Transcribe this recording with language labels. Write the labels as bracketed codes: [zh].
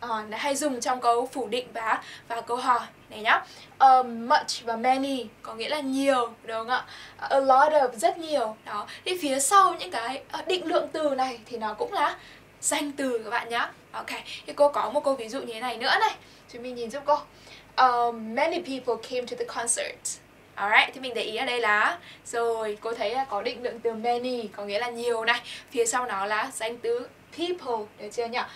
[vi] Hay dùng trong câu phủ định và câu hỏi này nhá. Much và many có nghĩa là nhiều, đúng không ạ? A lot of, rất nhiều. Đó, thì phía sau những cái định lượng từ này thì nó cũng là danh từ các bạn nhá. Ok, thì cô có một câu ví dụ như thế này nữa này. Chúng mình nhìn giúp cô. [en] Many people came to the concert. [vi] Alright, thì mình để ý ở đây là rồi, cô thấy là có định lượng từ many có nghĩa là nhiều này. Phía sau nó là danh từ people, được chưa nhỉ?